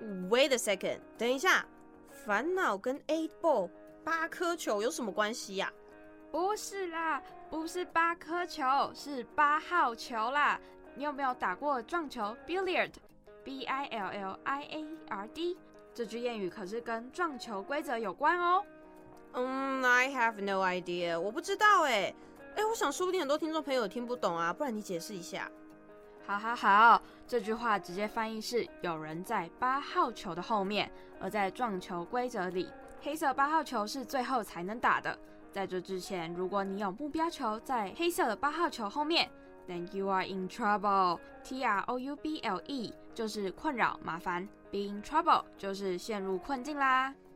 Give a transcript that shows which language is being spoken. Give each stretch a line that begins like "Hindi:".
English: Wait a second，
Chinese: 等一下，烦恼跟 eight ball 八颗球有什么关系啊？不是啦，不是八颗球，是八号球啦。你有没有打过撞球 billiard？ B-I-L-L-I-A-R-D 这句谚语可是跟撞球规则有关哦。
English: I have no idea，
Chinese: 我不知道耶。我想说不定很多听众朋友听不懂啊，不然你解释一下。好好好，这句话直接翻译是有人在八号球的后面，而在撞球规则里，黑色八号球是最后才能打的。在这之前，如果你有目标球在黑色的八号球后面，
English: Then you are in trouble，
Chinese: T-R-O-U-B-L-E 就是困扰麻烦， Be in trouble 就是陷入困境啦。